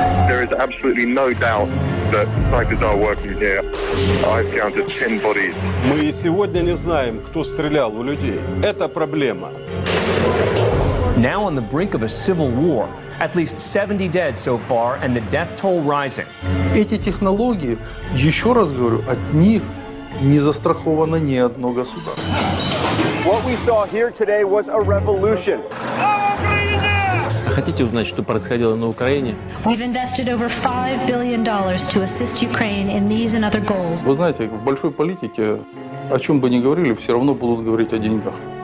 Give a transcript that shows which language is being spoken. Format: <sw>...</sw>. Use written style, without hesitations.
<en>There is absolutely no doubt that snipers are working here. I've counted 10 bodies.</en> <ru>Мы сегодня не знаем, кто стрелял в людей. Это проблема.</ru> <en>Now on the brink of a civil war, at least 70 dead so far, and the death toll rising.</en> <ru>Эти технологии, еще раз говорю, от них не застраховано ни одно государство.</ru> <en>What we saw here today was a revolution.</en> <ru>Хотите узнать, что происходило на Украине?</ru> <en>We've invested over $5 billion to assist Ukraine in these and other goals.</en> <ru>Вы знаете, в большой политике, о чем бы ни говорили, все равно будут говорить о деньгах.</ru>